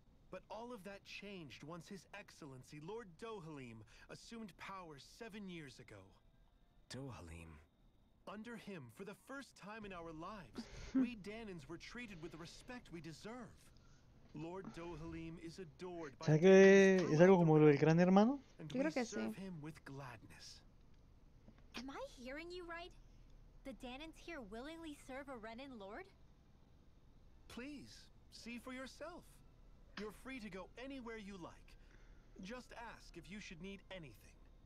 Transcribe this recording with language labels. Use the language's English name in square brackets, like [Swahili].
[English] But all of that changed once His Excellency, Lord Dohalim, assumed power 7 years ago. Dohalim? Under him, for the first time in our lives, we Danans were treated with the respect we deserve. Lord Dohalim is adored by... [Spanish] ¿Sabes qué es algo como lo del Gran Hermano? Yo creo que sí. [English] Serve him with gladness. Am I hearing you right? The Danans here willingly serve a Renan lord? Please, see for yourself. You're free to go anywhere you like. Just ask if you should need anything.